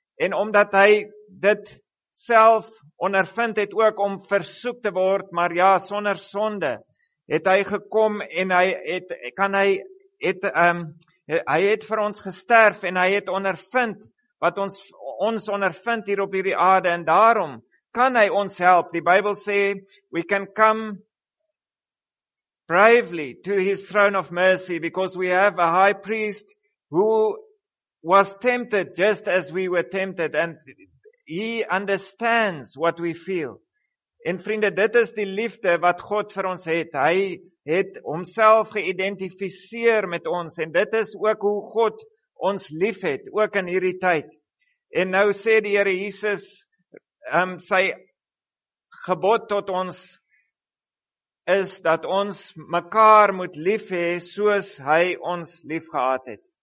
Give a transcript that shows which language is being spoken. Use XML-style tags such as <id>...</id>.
<af>En omdat hy dit self ondervind het ook om versoek te word, maar ja, sonder sonde, het hy gekom en hy het vir ons gesterf en hy het ondervind wat ons ondervind hier op hierdie aarde en daarom kan hy ons help. Die Bybel sê,</af> <en>we can come bravely to his throne of mercy because we have a high priest who was tempted just as we were tempted and he understands what we feel.</en> <af>En vriende, dit is die liefde wat God vir ons het. Hy het homself geïdentifiseer met ons en dit is ook hoe God ons lief het, ook in hierdie tyd. En nou sê die Here Jesus, sy gebod tot ons is dat ons mekaar moet lief hê soos hy ons lief gehad het.</af>